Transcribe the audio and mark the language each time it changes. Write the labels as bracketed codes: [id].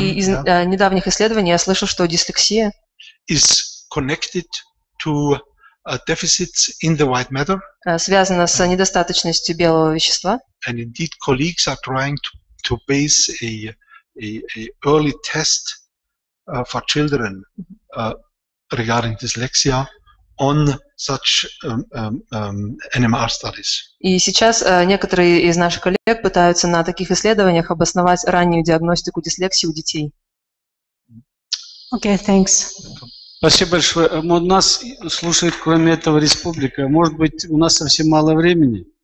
[ru] Недавних исследований я слышал, что дислексия [en] is connected to deficits in the white matter. [ru] Связана с недостаточностью белого вещества. [en] And indeed, colleagues are trying to base a early test for children regarding dyslexia on such NMR studies. [ru] И сейчас некоторые из наших коллег пытаются на таких исследованиях обосновать раннюю диагностику дислексии у детей. [en] Okay, thanks. [ru] Спасибо большое. У нас слушает, кроме этого, республика. Может быть, у нас совсем мало времени?